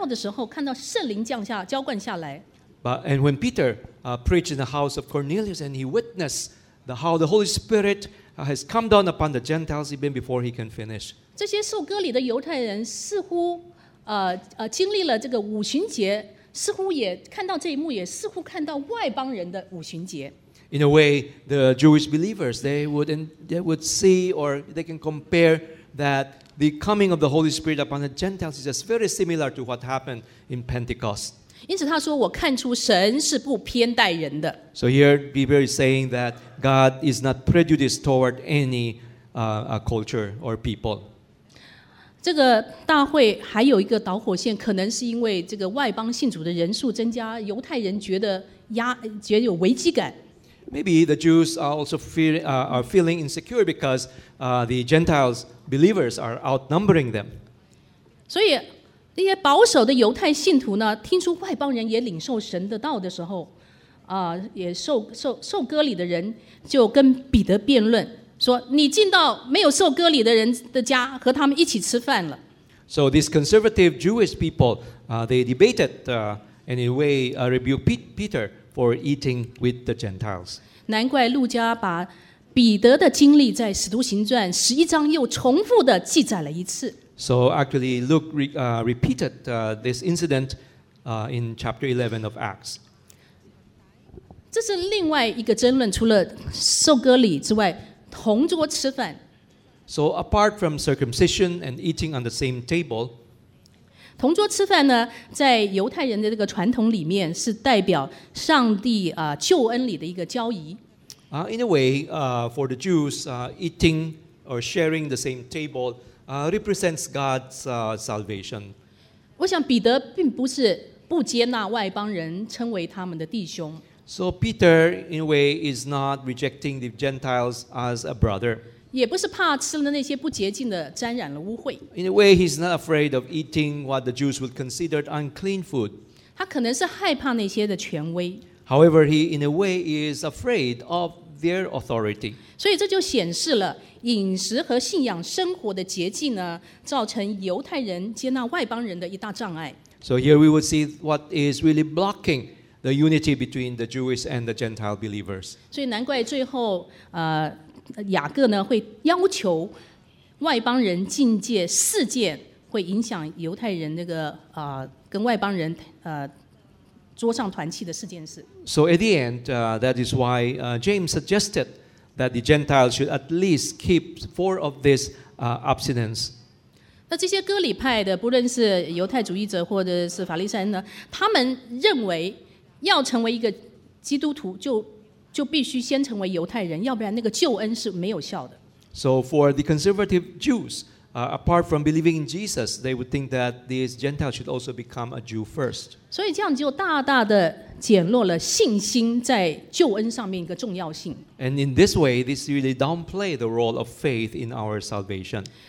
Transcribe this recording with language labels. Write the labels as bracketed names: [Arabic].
[Chinese] 那当彼得在哥尼流家讲道的时候，看到圣灵降下浇灌下来。 [English] But and when Peter preached in the house of Cornelius and he witnessed how the Holy Spirit has come down upon the Gentiles even before he can finish. [Chinese] 这些受割礼的犹太人似乎经历了这个五旬节。似乎也看到这一幕，也似乎看到外邦人的五旬节。 [English] In a way, the Jewish believers they would see or they can compare that the coming of the Holy Spirit upon the Gentiles is just very similar to what happened in Pentecost. [Chinese] 因此他说，我看出神是不偏待人的。 [English] So here, Peter is saying that God is not prejudiced toward any culture or people. [Chinese] 这个大会还有一个导火线，可能是因为这个外邦信主的人数增加，犹太人觉得有危机感。 [English] Maybe the Jews are also feeling insecure because the Gentiles believers are outnumbering them. [Chinese] 所以那些保守的犹太信徒呢，听出外邦人也领受神的道的时候，也受割礼的人就跟彼得辩论。说你进到没有受割礼的人的家，和他们一起吃饭了。 [English] So these conservative Jewish people, they debated, and in a way, rebuked Peter for eating with the Gentiles. [Chinese] 难怪路加把彼得的经历在《使徒行传》十一章又重复的记载了一次。 [English] So actually, Luke repeated this incident, in chapter 11 of Acts. [Chinese] 这是另外一个争论，除了受割礼之外。同桌吃饭。 [English] So apart from circumcision and eating on the same table, [Chinese] 同桌吃饭呢，在犹太人的这个传统里面是代表上帝救恩里的一个交易。 [English] In a way, for the Jews, eating or sharing the same table represents God's salvation. [Chinese] 我想彼得并不是不接纳外邦人称为他们的弟兄。 [English] So Peter, in a way, is not rejecting the Gentiles as a brother. [Chinese] 也不是怕吃了那些不洁净的沾染了污秽。 [English] In a way, he's not afraid of eating what the Jews would consider unclean food. [Chinese] 他可能是害怕那些的权威。 [English] However, he, in a way, is afraid of their authority. [Chinese] 所以这就显示了饮食和信仰生活的洁净呢，造成犹太人接纳外邦人的一大障碍。 [English] So here we would see what is really blocking the unity between the Jewish and the Gentile believers. [Chinese] 所以难怪最后，雅各呢会要求外邦人禁戒四戒，会影响犹太人那个跟外邦人桌上团契的四件事。 [English] So at the end, that is why James suggested that the Gentiles should at least keep four of this abstinence. [Chinese] 那这些割礼派的，不论是犹太主义者或者是法利赛人呢，他们认为。要成为一个基督徒就必须先成为犹太人，要不然那个救恩是没有效的。 [English] So for the conservative Jews, apart from believing in Jesus, they would think that these Gentiles should also become a Jew first. [Chinese] 所以这样就大大的减弱了信心在救恩上面一个重要性。 [English] And in this way, this really downplay the role of faith in our salvation.